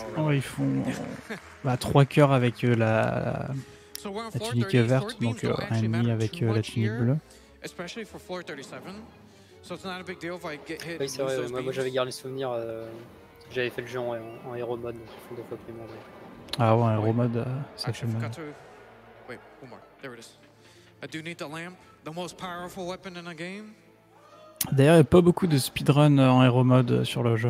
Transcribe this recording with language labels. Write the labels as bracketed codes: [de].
[fr] Ils font 3 cœurs avec la tunique verte, donc un ennemi avec la tunique bleue. Oui, c'est vrai, moi j'avais gardé le souvenir. J'avais fait le jeu en hero mode, ils font deux fois plus mal. Ah ouais, hero mode, ça fait mal. [en] Wait, one more. There it is. I do need the lamp, the most powerful weapon in the game. [fr] D'ailleurs, il n'y a pas beaucoup de speedrun en hero mode sur le jeu.